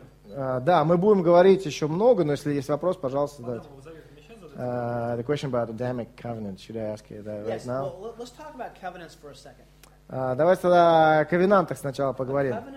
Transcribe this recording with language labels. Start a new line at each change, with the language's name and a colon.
Russian: Да, мы будем говорить еще много, но если есть вопрос, пожалуйста, задайте.
English: The question about Adamic covenant, should I ask you that right yes. now? Well, let's talk about covenants for a second.
Russian: Давайте тогда о ковенантах сначала поговорим.